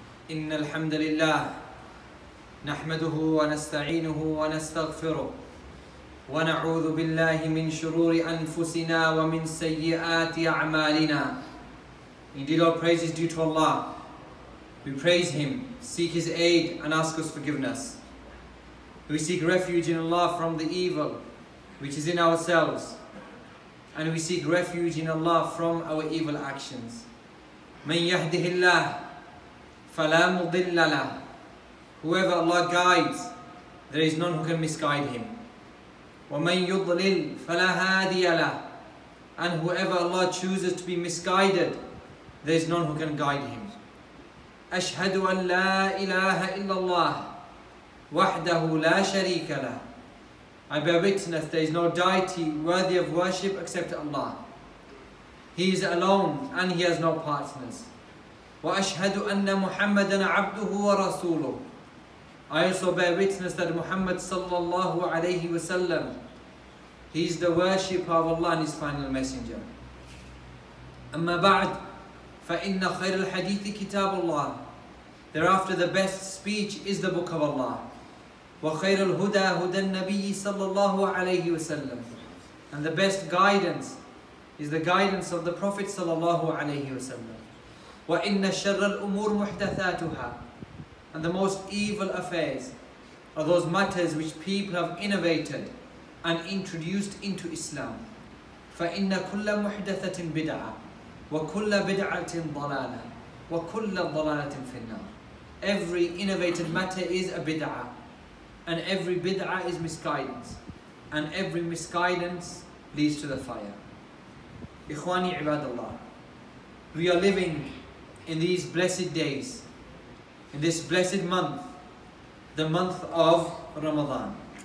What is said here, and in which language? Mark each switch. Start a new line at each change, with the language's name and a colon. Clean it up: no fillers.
Arabic: إن الحمد لله نحمده ونستعينه ونستغفره ونعوذ بالله من شرور أنفسنا ومن سيئات أعمالنا.
English: Indeed, all praise is due to Allah. We praise Him, seek His aid, and ask His forgiveness. We seek refuge in Allah from the evil which is in ourselves, and we seek refuge in Allah from our evil actions.
Arabic: من يهده الله فلا مضل له.
English: Whoever Allah guides, there is none who can misguide him.
Arabic: ومن يضلل فلا هادي له.
English: And whoever Allah chooses to be misguided, there is none who can guide him.
Arabic: أشهد أن لا إله إلا الله وحده لا شريك له.
English: I bear witness there is no deity worthy of worship except Allah. He is alone and He has no partners.
Arabic: وأشهد أن محمدا عبده ورسوله.
English: I also bear witness that Muhammad
Arabic: sallallahu alayhi wasallam,
English: he is the worshipper of Allah and His final messenger.
Arabic: أما بعد فإن خير الحديث كتاب الله.
English: Thereafter the best speech is the book of Allah.
Arabic: وخير الهدى هدى النبي صلى الله عليه وسلم.
English: And the best guidance is the guidance of the Prophet
Arabic: صلى الله عليه وسلم. وإن شر الأمور محدثاتها.
English: And the most evil affairs are those matters which people have innovated and introduced into Islam.
Arabic: فإن كل محدثة بدعة وكل بدعة ضلالة وكل ضلالة في النار.
English: Every innovated matter is a bid'ah, and every bid'ah is misguidance, and every misguidance leads to the fire.
Arabic: Ikhwani ibadallah,
English: we are living in these blessed days, in this blessed month, the month of Ramadan.